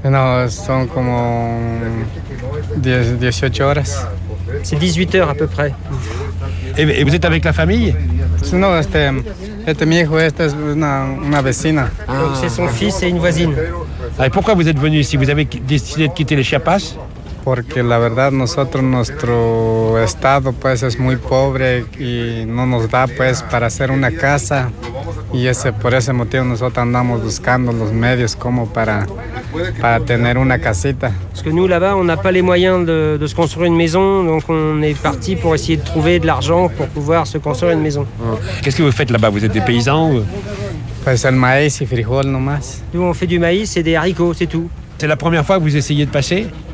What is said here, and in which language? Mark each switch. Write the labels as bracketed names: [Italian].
[French] Non, c'est comme 18 heures. C'est 18 heures à peu près. Et vous êtes avec la famille ? Non, c'est mon hijo, c'est une vecina. C'est son fils et une voisine. Ah, et pourquoi vous êtes venu ici ? Vous avez décidé de quitter le Chiapas ? [Spanish] Porque la verdad nosotros nuestro estado pues es muy pobre y no nos da pues para hacer una casa y ese por ese motivo nosotros andamos buscando los medios como para tener una casita. [French] Parce que nous là-bas on n'a pas les moyens de se construire une maison, donc on est parti pour essayer de trouver de l'argent pour pouvoir se construire une maison. Qu'est-ce que vous faites là-bas? Vous êtes des paysans ou... [Spanish] Pues el maíz y frijol nomás. [French] Nous on fait du maïs et des haricots, c'est tout. C'est la première fois que vous essayez de passer?